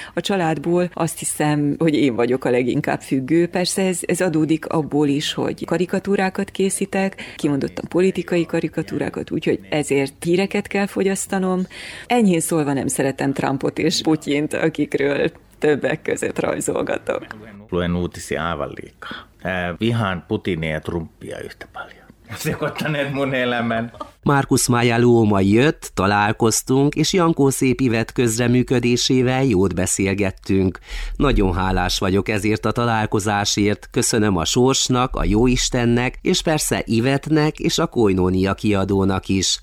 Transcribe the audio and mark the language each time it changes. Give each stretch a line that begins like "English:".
Hungarian: A családból azt hiszem, hogy én vagyok a leginkább függő. Persze ez adódik abból is, hogy karikatúrákat készítek, kimondottan politikai karikatúrákat, úgyhogy ezért híreket kell fogyasztanom. Enyhén szólva nem szeretem Trumpot és Putyint, akikről többek között rajzolgatok.
Finnish: Luen uutisia aivan liikaa. Vihaan Putinia ja Trumpia yhtä paljon. Sekoittaneet mun elämän.
Hungarian: Márkusz Mája Luoma jött, találkoztunk, és Jankó Szép Ivett közreműködésével jót beszélgettünk. Nagyon hálás vagyok ezért a találkozásért, köszönöm a sorsnak, a Jóistennek, és persze Ivetnek és a Koinónia kiadónak is.